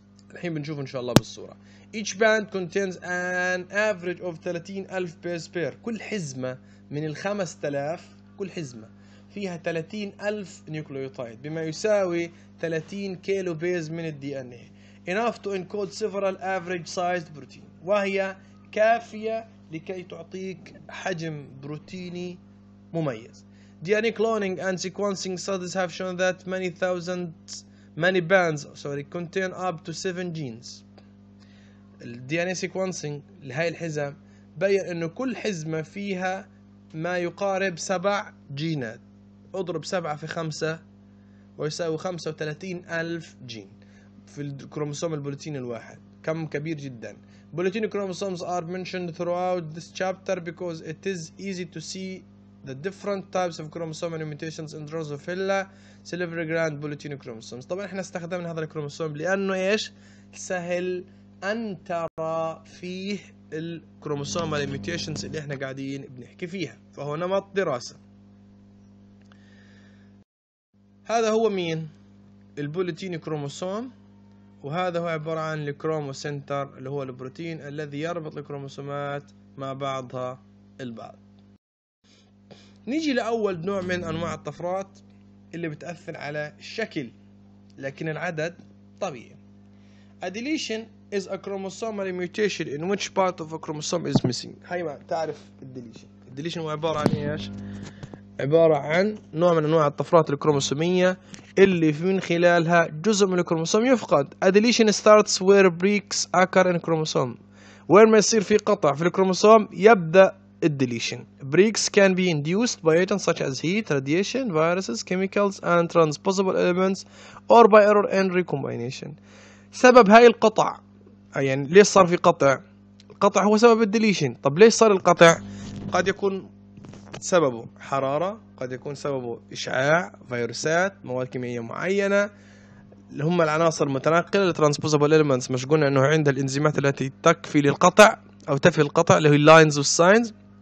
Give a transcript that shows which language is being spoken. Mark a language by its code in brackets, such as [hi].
[ar] الحين بنشوف إن شاء الله بالصورة. [en] Each band contains an average of 30,000 base pair. [ar] كل حزمة من الخمس تلاف كل حزمة فيها 30,000 نيوكليوتايد بما يساوي 30 كيلو بيز من الدي ان اي. [en] Enough to encode several average sized protein. [ar] وهي كافية لكي تعطيك حجم بروتيني مميز. [en] DNA cloning and sequencing studies have shown that many bands contain up to 7 genes. [ar] ال DNA sequencing لهي الحزم بين انه كل حزمة فيها ما يقارب 7 جينات. اضرب 7 في 5 ويساوي 35,000 جين في الكروموسوم البروتين الواحد. كم كبير جدا. [en] Bulletin chromosomes are mentioned throughout this chapter because it is easy to see the different types of chromosomal mutations in Drosophila salivary gland bulletin chromosomes. [ar] طبعا احنا استخدمنا هذا الكروموسوم لانه ايش؟ سهل ان ترى فيه الكروموسومال mutations اللي احنا قاعدين بنحكي فيها، فهو نمط دراسة. هذا هو مين؟ البوليتين كروموسوم، وهذا هو عبارة عن الكروموسنتر اللي هو البروتين الذي يربط الكروموسومات مع بعضها البعض. نيجي لأول نوع من أنواع الطفرات اللي بتأثر على الشكل لكن العدد طبيعي. [en] A deletion is a chromosomal mutation in which part of a chromosome is missing. [ar] هاي ما تعرف الديليشن. الديليشن هو عبارة عن إيش؟ عبارة عن نوع من أنواع الطفرات الكروموسومية اللي من خلالها جزء من الكروموسوم يفقد. [en] A deletion starts where breaks occur in chromosome. [ar] وين ما يصير في قطع في الكروموسوم يبدأ الديليشن. [en] Breaks can be induced by agents such as heat, radiation, viruses, chemicals and transposable elements or by error in recombination. [ar] سبب هاي القطع، يعني ليش صار في قطع؟ القطع هو سبب الديليشن. طب ليش صار القطع؟ قد يكون سببه حرارة، قد يكون سببه إشعاع، فيروسات، مواد كيميائية معينة، اللي هم العناصر المتنقلة transposable elements، مشغولنا أنه عندها الإنزيمات التي تكفي للقطع أو تفي القطع اللي هو lines والsigns.